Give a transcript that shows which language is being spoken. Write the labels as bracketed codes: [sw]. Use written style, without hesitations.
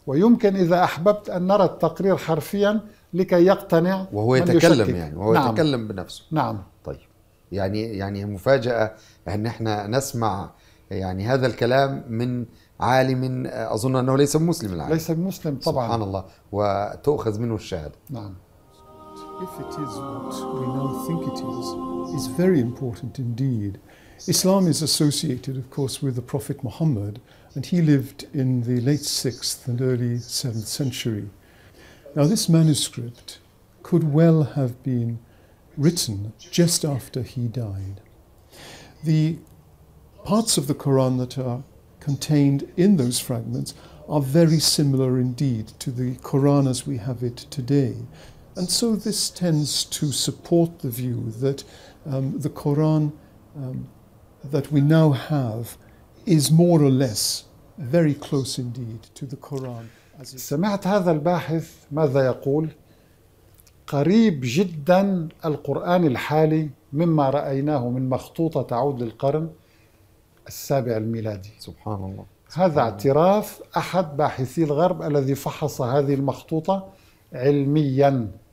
[ar] ويمكن إذا أحببت أن نرى التقرير حرفيا لكي يقتنع، وهو يتكلم يشكك. يعني وهو يتكلم بنفسه. نعم. طيب، يعني مفاجأة أن احنا نسمع يعني هذا الكلام من عالم أظن أنه ليس مسلم العالم. ليس مسلم طبعا. سبحان الله. وتأخذ منه الشهادة. نعم. [en] If it is what we now think it is, it's very important indeed. Islam is associated of course with the Prophet Muhammad, and he lived in the late 6th and early 7th century. Now this manuscript could well have been written just after he died. The parts of the Quran that are contained in those fragments are very similar indeed to the Quran as we have it today. And so this tends to support the view that the Quran that we now have is more or less very close indeed to the Quran. [ar] سمعت هذا الباحث ماذا يقول؟ قريب جدا القرآن الحالي مما رأيناه من مخطوطة تعود للقرن 7 الميلادي. سبحان الله. هذا اعتراف أحد باحثي الغرب الذي فحص هذه المخطوطة علميا.